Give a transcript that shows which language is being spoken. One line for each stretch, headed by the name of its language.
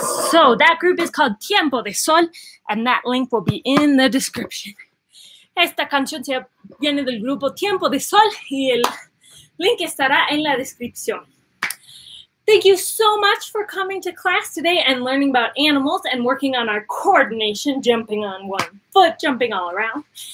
English: So that group is called Tiempo de Sol, and that link will be in the description.
Spanish: Esta canción viene del grupo Tiempo de Sol, y el link estará en la descripción.
English: Thank you so much for coming to class today and learning about animals and working on our coordination, jumping on one foot, jumping all around.